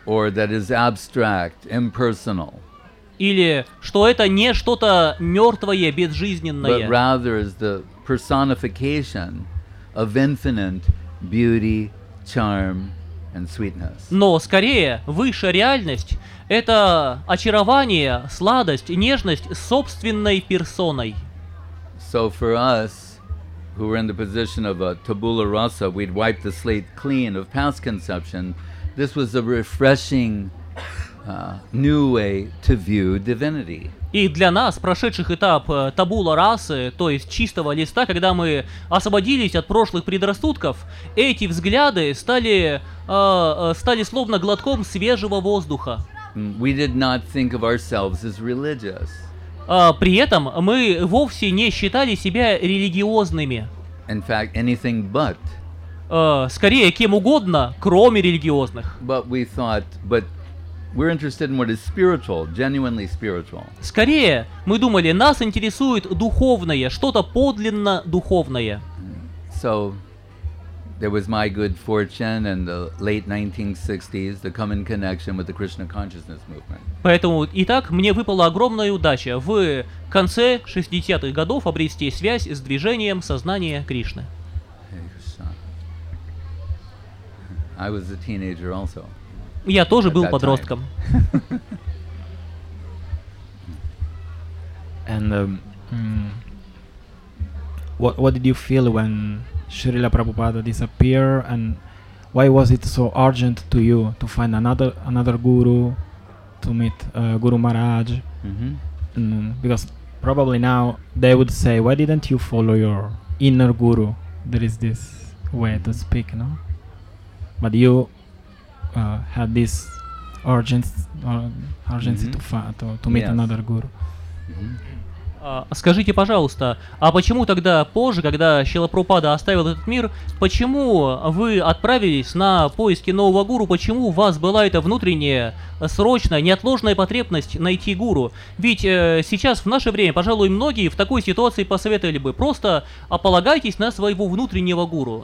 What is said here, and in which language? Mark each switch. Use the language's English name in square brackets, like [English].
[English] Or that is abstract, impersonal. [Russian] Или что это не что-то мертвое, безжизненное. [English] But rather is the personification of infinite beauty, charm, and sweetness. [Russian] Но скорее высшая реальность — это очарование, сладость, нежность собственной персоной. [English] So for us, who were in the position of a tabula rasa, we'd wipe the slate clean of past conception. This was a refreshing new way to view divinity. [Russian] И для нас, прошедших этап табула расы, то есть чистого листа, когда мы освободились от прошлых предрассудков, эти взгляды стали словно глотком свежего воздуха. [English] We did not think of ourselves as religious. [Russian] При этом мы вовсе не считали себя религиозными. [English] In fact, anything but. [Russian] Скорее, кем угодно, кроме религиозных. [English] But we thought, but we're interested in what is spiritual, genuinely spiritual. [Russian] Скорее, мы думали, нас интересует духовное, что-то подлинно духовное. [English] So, there was my good fortune in the late 1960s to come in connection with the Krishna consciousness movement. [Russian] Поэтому, итак, мне выпала огромная удача в конце 60-х годов обрести связь с движением сознания Кришны. [English] I was a teenager also. [Russian] Я тоже был подростком. [English] And what did you feel when Srila Prabhupada disappeared, and why was it so urgent to you to find another guru, to meet Guru Maharaj? Mm-hmm. Because probably now they would say, why didn't you follow your inner guru? There is this way to speak, no? But you had this urgency mm-hmm. to meet yes. another guru. Mm-hmm. [Russian] Скажите, пожалуйста, а почему тогда позже, когда Шрила Прабхупада оставил этот мир, почему вы отправились на поиски нового гуру? Почему у вас была эта внутренняя, срочная, неотложная потребность найти гуру? Ведь сейчас, в наше время, пожалуй, многие в такой ситуации посоветовали бы просто ополагайтесь на своего внутреннего гуру.